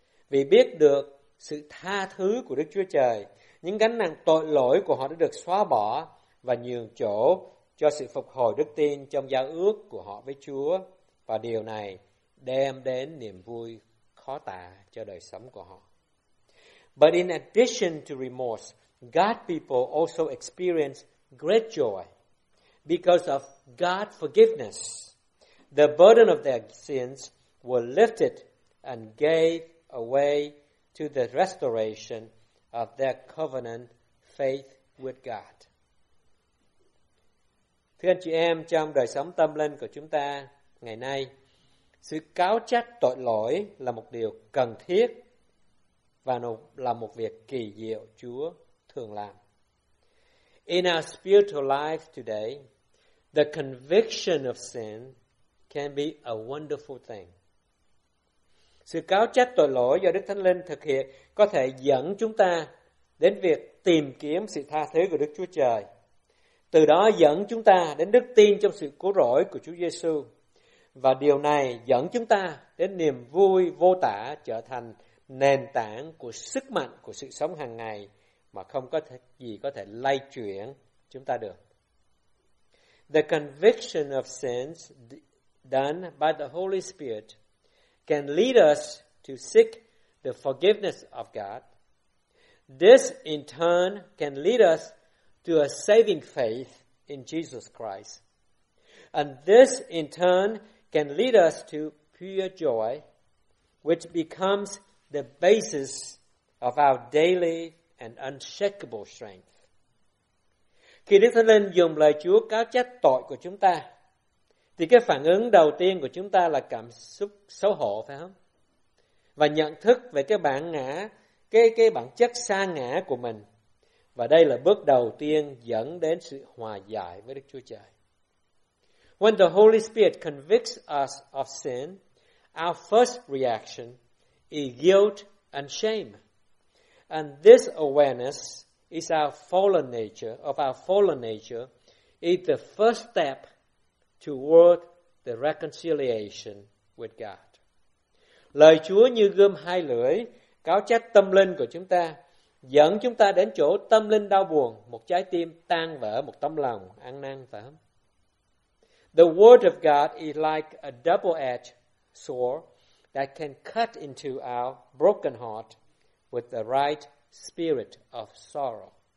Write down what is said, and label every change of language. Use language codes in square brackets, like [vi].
[vi] Vì biết được sự tha thứ của Đức Chúa Trời, những gánh nặng tội lỗi của họ đã được xóa bỏ và nhường chỗ cho sự phục hồi đức tin trong giao ước của họ với Chúa, và điều này đem đến niềm vui khó tả cho đời sống của họ. [en] But in addition to remorse, God's people also experience great joy because of God's forgiveness. The burden of their sins were lifted and gave away to the restoration of their covenant faith with God. [vi] Thưa anh chị em, trong đời sống tâm linh của chúng ta ngày nay, sự cáo trách tội lỗi là một điều cần thiết và là một việc kỳ diệu Chúa thường làm. [en] In our spiritual life today, the conviction of sin can be a wonderful thing. [vi] Sự cáo trách tội lỗi do Đức Thánh Linh thực hiện có thể dẫn chúng ta đến việc tìm kiếm sự tha thứ của Đức Chúa Trời. Từ đó dẫn chúng ta đến đức tin trong sự cứu rỗi của Chúa Giê-xu. Và điều này dẫn chúng ta đến niềm vui vô tả, trở thành nền tảng của sức mạnh của sự sống hàng ngày mà không có gì có thể lay chuyển chúng ta được. [en] The conviction of sins done by the Holy Spirit can lead us to seek the forgiveness of God. This in turn can lead us to a saving faith in Jesus Christ. And this in turn can lead us to pure joy, which becomes the basis of our daily and unshakable strength. [vi] Khi Đức Thánh Linh dùng lời Chúa cáo trách tội của chúng ta, thì cái phản ứng đầu tiên của chúng ta là cảm xúc xấu hổ, phải không? Và nhận thức về cái bản ngã, cái bản chất sa ngã của mình. Và đây là bước đầu tiên dẫn đến sự hòa giải với Đức Chúa Trời. [en] When the Holy Spirit convicts us of sin, our first reaction is guilt and shame. And this awareness is our fallen nature, of our fallen nature, is the first step toward the reconciliation with God. [vi] Lời Chúa như gươm hai lưỡi, cáo trách tâm linh của chúng ta, dẫn chúng ta đến chỗ tâm linh đau buồn, một trái tim tan vỡ, một tấm lòng ăn năn, phải không? [en] The word of God is like a double-edged sword that can cut into our broken heart with the right spirit of sorrow.